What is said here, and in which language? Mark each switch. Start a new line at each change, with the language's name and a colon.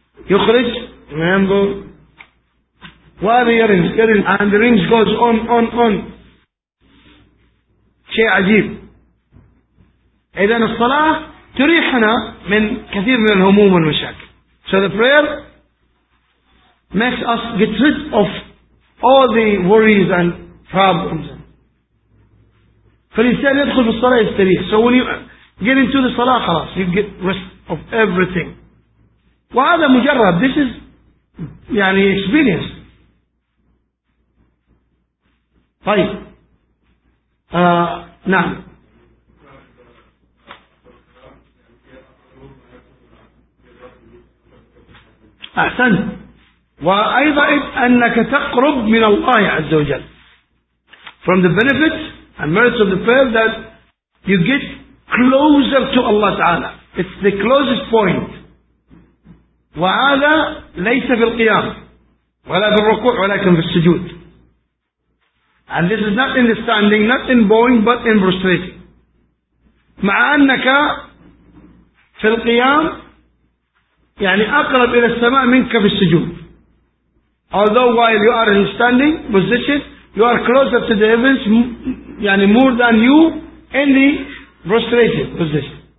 Arabic: يخرج ينظر وهذا يرن
English: and the rings goes on
Arabic: شيء عجيب. إذن الصلاة تريحنا من كثير من الهموم والمشاكل.
English: So the prayer makes us get rid of all the worries and problems.
Arabic: فالإنسان يدخل بالصلاة يستريح.
English: So when you get into the صلاة خلاص you get rest of everything.
Arabic: وهذا مجرب.
English: This is يعني experience.
Arabic: طيب نعم أحسن. وأيضا أنك تقرب من الله عز وجل.
English: From the benefits and merits of the prayer that you get closer to Allah تعالى. It's the closest point.
Arabic: وهذا ليس في القيام ولا في الركوع ولكن في السجود.
English: And this is not in the standing, not in bowing, but in prostrating.
Arabic: مع أنك في القيام يعني أقرب إلى السماء منك في السجود.
English: Although while you are in standing position, you are closer to the heavens, يعني more than you in the prostrating position.